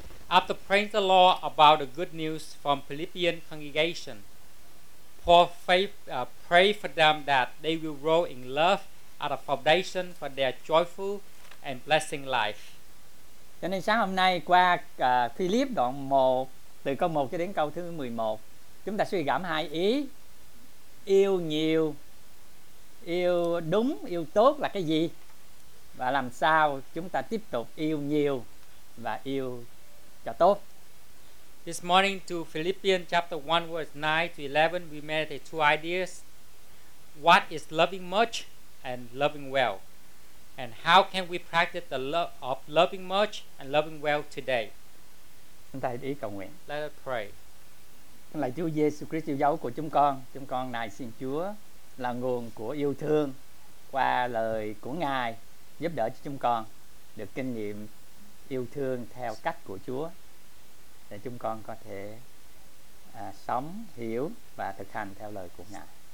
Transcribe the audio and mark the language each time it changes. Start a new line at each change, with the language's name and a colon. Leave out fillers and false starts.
English: After praying the Lord about the good news from Philippian congregation, Paul prayed for them that they will grow in love as a foundation for their joyful and blessing life.
Vietnamese: Cho nên sáng hôm nay qua Philip đoạn 1, từ câu 1 cho đến câu thứ 11, chúng ta suy gẫm hai ý: yêu nhiều, yêu đúng, yêu tốt là cái gì, và làm sao chúng ta tiếp tục yêu nhiều và yêu cho tốt.
English: This morning to Philippians chapter 1 verse 9 to 11 we meditate two ideas: what is loving much and loving well, and how can we practice the love of loving much and loving well today.
Vietnamese: Chúng ta đi cầu nguyện.
English: Let us pray.
Vietnamese: Lạy Chúa Giêsu Christ yêu dấu của chúng con nài xin Chúa là nguồn của yêu thương, qua lời của Ngài giúp đỡ cho chúng con được kinh nghiệm yêu thương theo cách của Chúa, để chúng con có thể sống, hiểu và thực hành theo lời của Ngài.